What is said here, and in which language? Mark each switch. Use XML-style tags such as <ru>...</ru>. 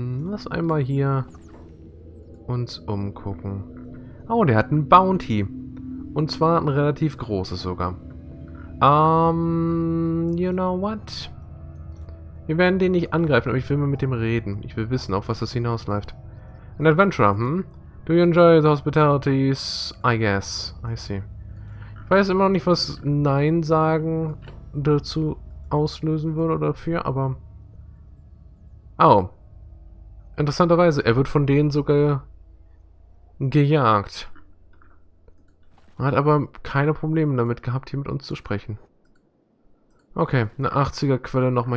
<de>Lass einmal hier uns umgucken. Oh, der hat ein Bounty. Und zwar ein relativ großes sogar.</de> <en>You know what?</en> <de>Wir werden den nicht angreifen, aber ich will mal mit dem reden. Ich will wissen, auf was das hinausläuft.</de> <en>An adventurer, Do you enjoy the hospitalities? I guess. I see.</en> <de>Ich weiß immer noch nicht, was Nein sagen dazu auslösen würde oder dafür, aber. Oh. Interessanterweise, er wird von denen sogar gejagt. Hat aber keine Probleme damit gehabt, hier mit uns zu sprechen. Okay, eine 80er Quelle nochmal.</de>